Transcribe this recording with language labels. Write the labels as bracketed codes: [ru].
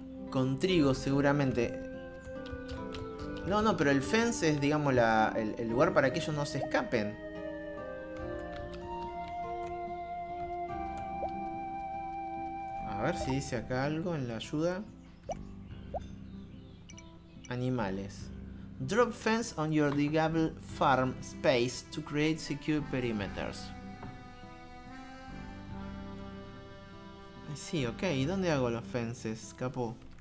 [es] Con trigo, seguramente. No, no, pero el fence es, digamos, el lugar para que ellos no se escapen. A ver si dice acá algo en la ayuda. Animales. [en] Drop fence on your digable farm space to create secure perimeters. [es] Sí, ok. ¿Y dónde hago los fences, capo?